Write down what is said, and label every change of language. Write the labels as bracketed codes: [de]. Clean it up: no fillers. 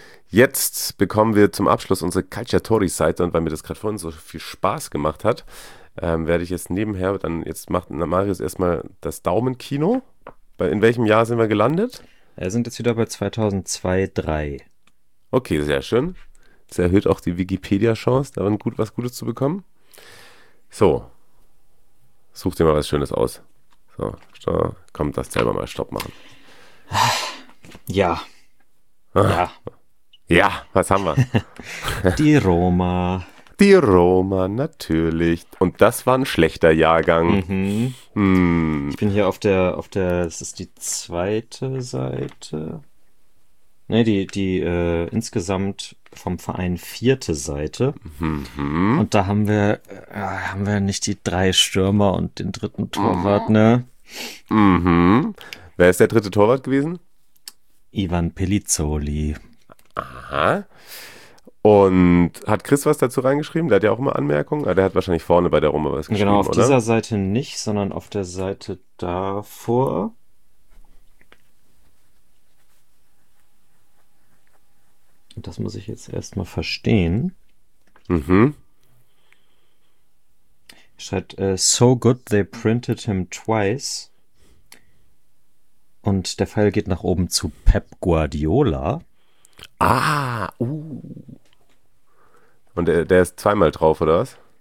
[de] Jetzt bekommen wir zum Abschluss unsere Calciatori-Seite und weil mir das gerade vorhin so viel Spaß gemacht hat, werde ich jetzt nebenher, dann jetzt macht Marius erstmal das Daumenkino. In welchem Jahr sind wir gelandet? Wir sind jetzt wieder bei 2002-2003. Okay, sehr schön. Das erhöht auch die Wikipedia-Chance, da gut, was Gutes zu bekommen. So, such dir mal was Schönes aus. So, komm, das selber mal Stopp machen. Ja. Ja. Ja, was haben wir? Die Roma. Die Roma, natürlich. Und das war ein schlechter Jahrgang. Mhm. Hm. Ich bin hier auf der, das ist die zweite Seite. Ne, die insgesamt vom Verein vierte Seite. Mhm. Und da haben wir nicht die drei Stürmer und den dritten Torwart, ne? Mhm. Wer ist der dritte Torwart gewesen? Ivan Pelizzoli. Aha. Und hat Chris was dazu reingeschrieben? Der hat ja auch immer Anmerkungen. Der hat wahrscheinlich vorne bei der Roma was geschrieben, genau, auf oder? Dieser Seite nicht, sondern auf der Seite davor. Das muss ich jetzt erstmal verstehen. Mhm. Schreibt, [en] so good they printed him twice. [de] Und der Pfeil geht nach oben zu Pep Guardiola. Und der ist zweimal drauf, oder was?